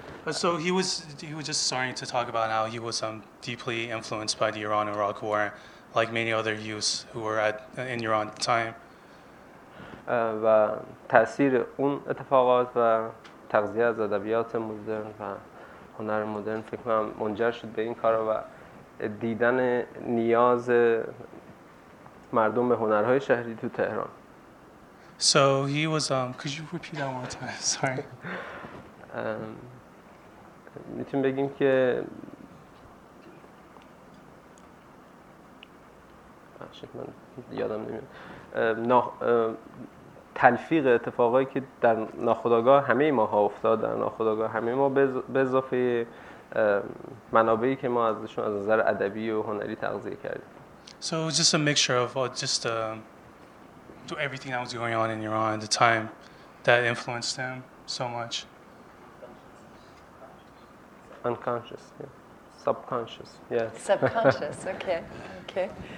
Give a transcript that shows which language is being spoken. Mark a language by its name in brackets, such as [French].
[English] So he was just starting to talk about how he was deeply influenced by the Iran-Iraq War, like many other youths who were in Iran at the time. [Persian] و تأثیر اون اتفاقات و تغذیه از ادبیات مدرن و هنر مدرن فکر کنم منجر شد به این کارا و دیدن نیاز مردم به هنرهای شهری تو تهران. [English] So he was could you repeat that one more time? Sorry. [Persian] میتونیم بگیم که بخشید من یادم نمیاد تلفیق اتفاقایی که در ناخودآگاه همه ماها افتاد، در ناخودآگاه همه ما به اضافه منابعی که ما ازشون از نظر ادبی و هنری تغذیه کردیم. [English] So it was just a mixture of everything that was going on in Iran at the time that influenced him so much. Unconscious, yeah. Subconscious, yeah. Subconscious, okay.